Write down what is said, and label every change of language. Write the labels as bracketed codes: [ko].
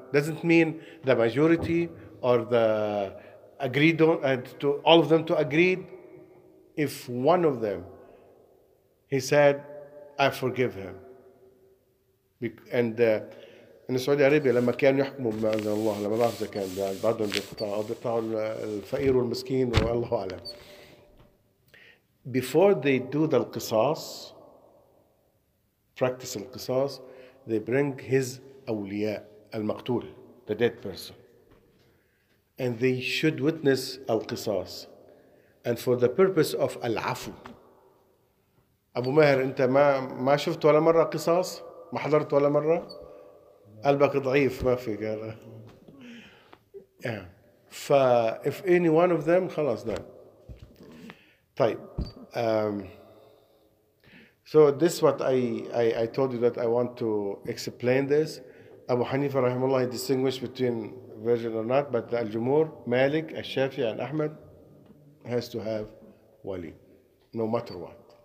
[en] Doesn't mean the majority or the agreed on, to all of them to agreed. If one of them, he said, I forgive him. And in Saudi Arabia, [ar] لما كان يحكموا بما أنزل الله لما بعرف إذا كان بعضهم بيقطعوا الفقير والمسكين والله أعلم. [en] Before they do the القصاص, practice القصاص, they bring his [ar] أولياء المقتول, [en] the dead person. And they should witness القصاص. And for the purpose of العفو. [ar] أبو ماهر أنت ما شفت ولا مرة قصاص؟ ما حضرت ولا مرة؟ قلبك ضعيف ما في قال. [en] فا if any one of them [ar] خلاص ده. طيب. [en] So this what I told you that I want to explain this. أبو حنيفة [ar] رحمه الله [en] distinguish between virgin or not, but الجمهور مالك الشافعي and أحمد has to have ولي, no matter what.